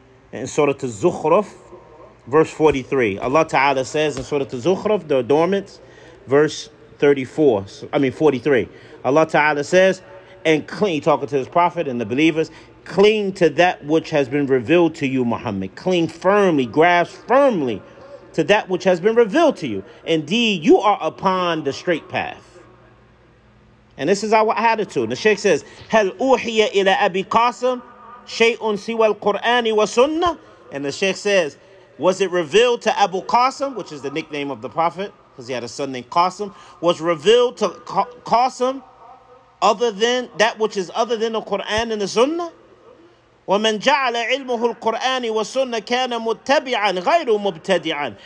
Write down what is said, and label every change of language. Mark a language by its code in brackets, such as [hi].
[en] In Surah Al-Zukhruf, verse 43, Allah Ta'ala says in Surah Al-Zukhruf, the dormant, verse 43. Allah Ta'ala says, and cling, talking to His Prophet and the believers, cling to that which has been revealed to you, Muhammad. Cling firmly, grasp firmly to that which has been revealed to you. Indeed, you are upon the straight path. And this is our attitude. The Sheikh says, [ar] هل أوحي إلى أبي قاسم شيء سوى القرآن والسنة? [en] And the Sheikh says, was it revealed to Abu Qasim, which is the nickname of the Prophet, because he had a son named Qasim, was revealed to Qasim other than that which is other than the Quran and the Sunnah? [ar] وَمَنْ جَعَلَ عِلْمُهُ الْقُرْآنِ وَالسُنَّةِ كَانَ مُتَّبِعًا غَيْرُ مُبْتَدِعًا.